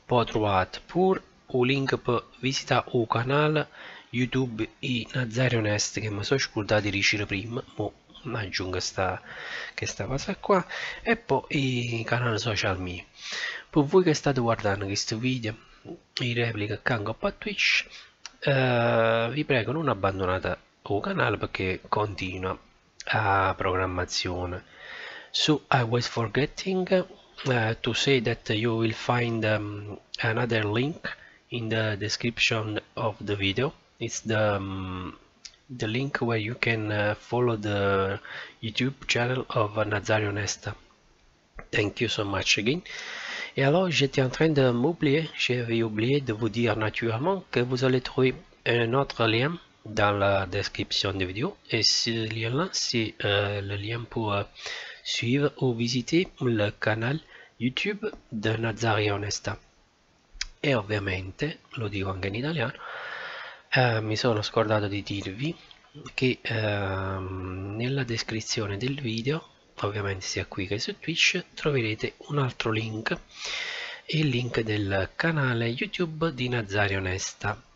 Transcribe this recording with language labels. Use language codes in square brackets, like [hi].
[it] Poi trovate pure un link per visitare il canale YouTube e Nazario Nest, che mi sono scordato di riuscire prima, ma aggiungo questa cosa qua, e poi il canale social mio. Per voi che state guardando questo video in replica con Goppa Twitch, vi prego non abbandonate il canale, perché continua la programmazione su [en] I Was Forgetting. To say that you will find another link in the description of the video. It's the link where you can follow the YouTube channel of Nazario Nesta. Thank you so much again. [fr] Et alors, j'étais en train de m'oublier, j'avais oublié de vous dire naturellement que vous allez trouver un autre lien dans la description de la vidéo. Et ce lien-là, c'est le lien pour suivre ou visiter le canal YouTube de Nazario Nesta. [it] Et ovviamente, lo dico anche in italiano, mi sono scordato di dirvi che nella descrizione del video, ovviamente sia qui che su Twitch, troverete un altro link, il link del canale YouTube di Nazario Nesta.